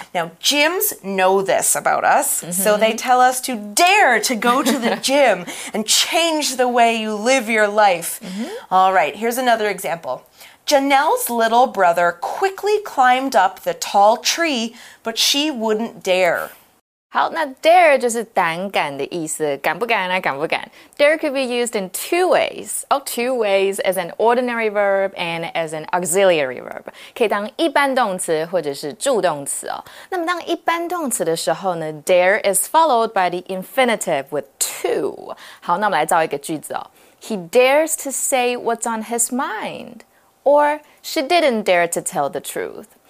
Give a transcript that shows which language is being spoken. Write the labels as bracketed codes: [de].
[en] Now, gyms know this about us, so they tell us to dare to go to the gym and change the way you live your life. Mm-hmm. All right, here's another example. Janelle's little brother quickly climbed up the tall tree, but she wouldn't dare. [zh] 好，那 dare 就是胆敢的意思，敢不敢啊，敢不敢。 [en] Dare could be used in two ways. Oh, two ways as an ordinary verb and as an auxiliary verb. [zh] 可以当一般动词或者是助动词哦。那么当一般动词的时候呢 [en] ，dare is followed by the infinitive with to. [zh] 好，那我们来造一个句子哦。 [en] He dares to say what's on his mind. Or, she didn't dare to tell the truth.